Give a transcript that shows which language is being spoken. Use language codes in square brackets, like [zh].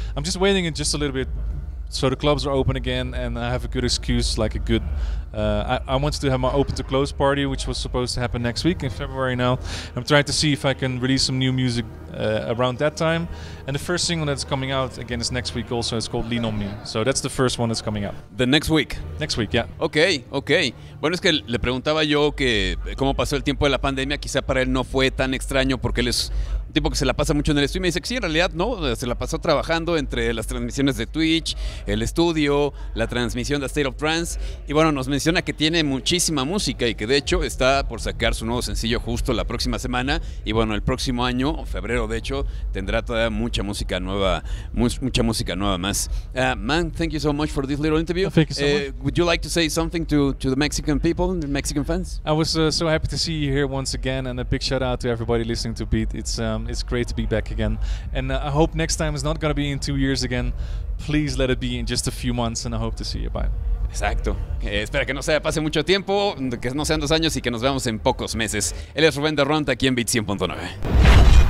[en] I'm just waiting in just a little bit so the clubs are open again and I have a good excuse, like a good... I wanted to have my open to close party, which was supposed to happen next week in February now. I'm trying to see if I can release some new music around that time. And the first single that's coming out again is next week also. It's called Lean On Me. So that's the first one that's coming out. The next week? Next week, yeah. Okay, okay. [es] Bueno, es que le preguntaba yo que cómo pasó el tiempo de la pandemia. Quizá para él no fue tan extraño porque él es un tipo que se la pasa mucho en el estudio. Y me dice que sí, en realidad no. Se la pasó trabajando entre las transmisiones de Twitch, el estudio, la transmisión de State of Trance. Y bueno, nos menciona que tiene muchísima música y que de hecho está por sacar su nuevo sencillo justo la próxima semana. Y bueno, el próximo año, o febrero de hecho, tendrá todavía mucha música nueva más. [en] Man, thank you so much for this little interview. Thank you so much. Would you like to say something to the Mexican people, the Mexican fans? I was so happy to see you here once again, and a big shout out to everybody listening to Beat. It's great to be back again. And I hope next time is not going to be in 2 years again. Please let it be in just a few months, and I hope to see you. Bye. [es] Exacto. Espera que no sea pase mucho tiempo, que no sean 2 años y que nos veamos en pocos meses. Él es Rubén de Ronda aquí en Beat 100.9.